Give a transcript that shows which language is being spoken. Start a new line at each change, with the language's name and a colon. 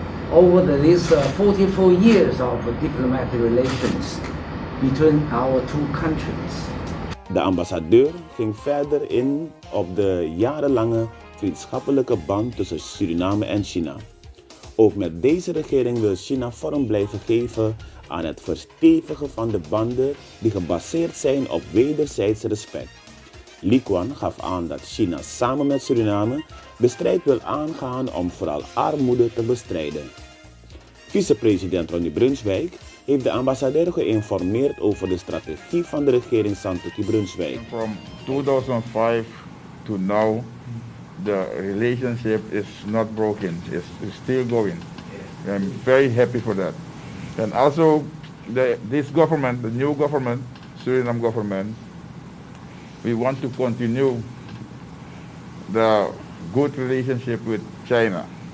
English: Over these 44 years of diplomatic relations between our two countries.
Dutch: De ambassadeur ging verder in op de jarenlange vriendschappelijke band tussen Suriname en China. Ook met deze regering wil China vorm blijven geven aan het verstevigen van de banden die gebaseerd zijn op wederzijds respect. Lee Kwan gaf aan dat China samen met Suriname de strijd wil aangaan om vooral armoede te bestrijden. Vice-president Ronnie Brunswijk heeft de ambassadeur geïnformeerd over de strategie van de regering Santokki Brunswijk.
English: From 2005 to now. The relationship is not broken, it's still going. I'm very happy for that. And also, this government, the new government, Suriname government, we want to continue the good relationship with China.